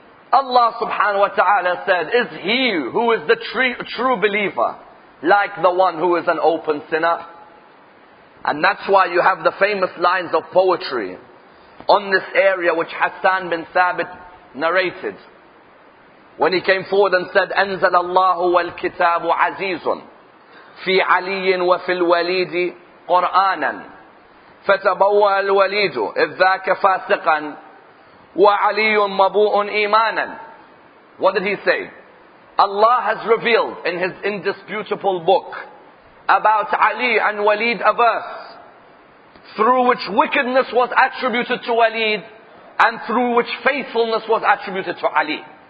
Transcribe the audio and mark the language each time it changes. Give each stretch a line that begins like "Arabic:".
English: Allah subhanahu wa ta'ala said, is he who is the true believer like the one who is an open sinner? And that's why you have the famous lines of poetry on this area which Hassan bin Thabit narrated. When he came forward and said,
Arabic: أنزل الله والكتاب عزيز في علي وفي الوليد قرآنا فتبوى الوليد إذ ذاك فاسقا وَعَلِيٌّ مَبُوءٌ إِيمَانًا. What did he say?
English: Allah has revealed in his indisputable book about Ali and Walid a verse through which wickedness was attributed to Walid and through which faithfulness was attributed to Ali.